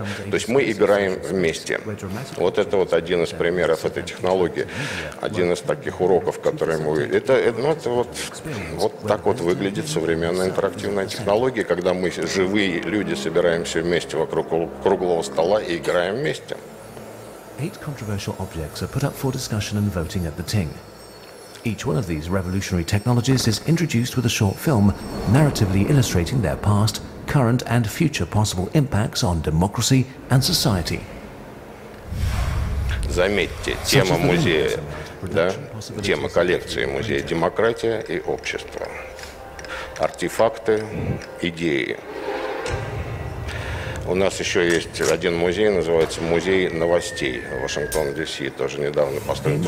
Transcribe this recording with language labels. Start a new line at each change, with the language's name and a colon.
Russian: То есть мы играем вместе. Вот это вот один из примеров этой технологии. Один из таких уроков, которые мы... Это вот так вот выглядит современная интерактивная технология, когда мы, живые люди, собираемся вместе вокруг круглого стола и играем вместе.
English: 8 controversial objects are put up for discussion and voting at the Ting. Each one of these revolutionary technologies is introduced with a short film, narratively illustrating their past, current and future possible impacts on democracy and society.
Russian: Заметьте, тема музея, да, тема коллекции музея — демократия и общество. Артефакты, идеи. У нас еще есть один музей, называется Музей новостей в Вашингтоне, Д.С., тоже недавно построен.